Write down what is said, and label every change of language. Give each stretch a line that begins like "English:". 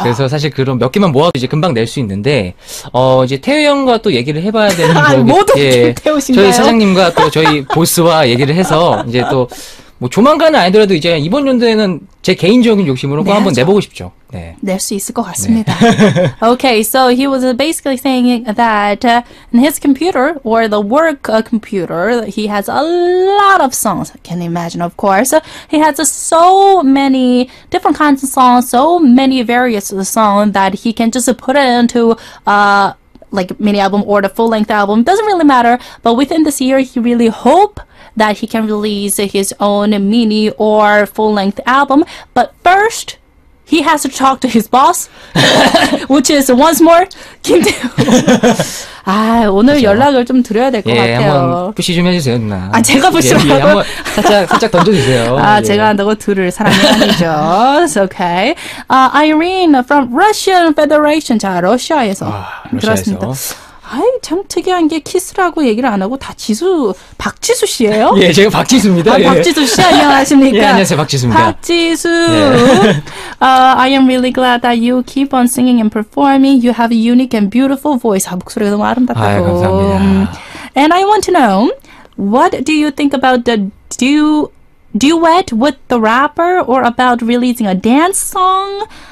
Korean: 그래서 사실 그런 몇 개만 모아도 이제 금방 낼 수 있는데 이제 태우 형과 또 얘기를 해봐야 되는 거 모두 예, 태우신가요? 저희 사장님과 또 저희 보스와 얘기를 해서 이제 또 뭐 조만간은 아니더라도 이제 이번 연도에는 제 개인적인 욕심으로 꼭 한번 내보고 싶죠. 네. 낼 수 있을 것 같습니다. 네.
English: Okay, so he was basically saying that in his computer or the work computer, he has a lot of songs. Can you imagine, of course. He has so many different kinds of songs, so many various songs that he can just put it into like mini album or the full length album. Doesn't really matter. But within this year, he really hope that he can release his own mini or full-length album. But first, he has to talk to his boss, which is once more 김태호.
Korean: 아, 오늘 그쵸? 연락을 좀 드려야 될 것 예, 같아요. 한번 푸시 좀 해주세요, 누나. 아, 제가 푸시라고? 예, 예, 한번 살짝 던져주세요. 아, 예. 제가 한다고 들을 사람이 아니죠.
English: Okay. Irene from Russian Federation.
Korean: 자, 러시아에서. 아, 러시아에서. 들었습니다. 아이, 참 특이한 게 키스라고 얘기를 안 하고 다 지수, 박지수 씨예요? 예, 제가 박지수입니다. 아, 박지수 씨, 안녕하십니까? 예, 안녕하세요, 박지수입니다. 박지수! 예.
English: I am really glad that you keep on singing and performing. You have a unique and beautiful voice.
Korean: 아, 목소리가 너무 아름답다고. 아유, 감사합니다.
English: And I want to know, what do you think about the duet with the rapper or about releasing a dance song?